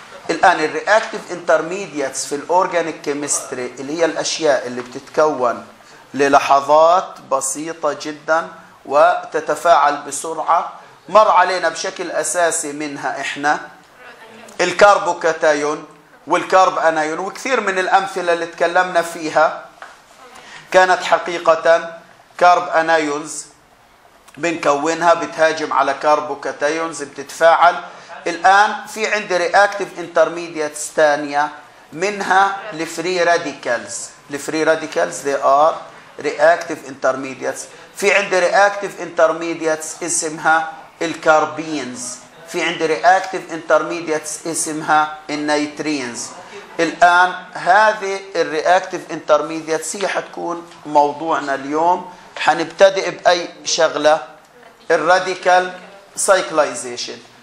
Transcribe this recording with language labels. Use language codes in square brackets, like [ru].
[ar] الآن reactive intermediates في الأورجانيك كيمستري اللي هي الأشياء اللي بتتكون للحظات بسيطة جداً وتتفاعل بسرعة، مر علينا بشكل أساسي منها إحنا الكاربوكاتايون والكارب أنايون، وكثير من الأمثلة اللي تكلمنا فيها كانت حقيقة كارب أنايونز بنكونها، بتهاجم على كاربوكاتايونز بتتفاعل. الآن في عندي رياكتيف انترميدياتس ثانية، منها الفري راديكالز. [en] الفري radicals they are reactive intermediates. [ar] في عندي رياكتيف انترميدياتس اسمها الكاربينز. في عندي رياكتيف انترميدياتس اسمها النيترينز. الآن هذه الرياكتيف انترميدياتس هي حتكون موضوعنا اليوم. حنبتدئ بأي شغلة؟ الراديكال سايكلايزيشن.